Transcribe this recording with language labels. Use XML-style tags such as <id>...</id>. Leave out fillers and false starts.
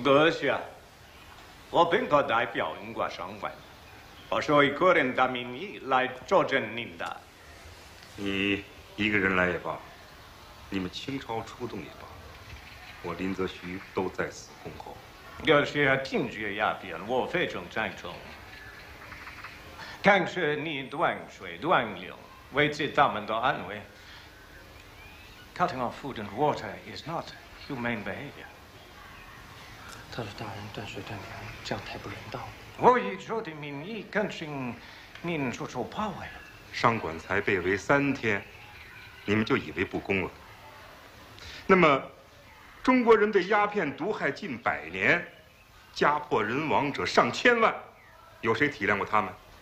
<zh>阁下，我本可代表英国商馆，我是为个人的名义来作证您的。你一个人来也罢，你们倾巢出动也罢。我林则徐都在此恭候。要是要禁绝鸦片，我非常赞成。但是你断水断流，为自己大门的安危。</zh> <en>Cutting off food and water is not humane behavior.</en> <zh>他说大人断水断粮，这样太不人道。我已说的民意，更请您说说怕我呀。商馆才被围三天，你们就以为不公了。那么中国人被鸦片毒害近百年，家破人亡者上千万，有谁体谅过他们？</zh>